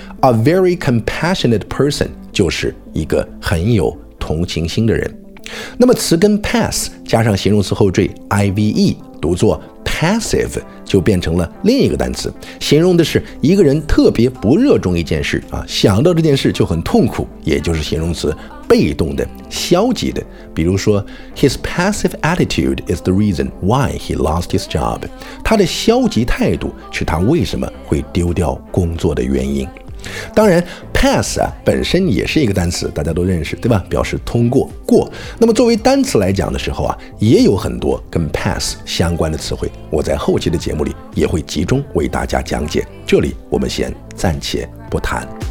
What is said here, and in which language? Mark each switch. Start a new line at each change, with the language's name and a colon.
Chinese: A very compassionate person 就是一个很有同情心的人。那么词根 pass 加上形容词后缀 ive 读作 passive 就变成了另一个单词，形容的是一个人特别不热衷一件事啊，想到这件事就很痛苦，也就是形容词被动的、消极的。
English: 比如说，his passive attitude is the reason why he lost his job。
Chinese: 他的消极态度是他为什么会丢掉工作的原因。当然 pass 啊本身也是一个单词，大家都认识，对吧？表示通过、过。那么作为单词来讲的时候啊，也有很多跟 pass 相关的词汇，我在后期的节目里也会集中为大家讲解，这里我们先暂且不谈。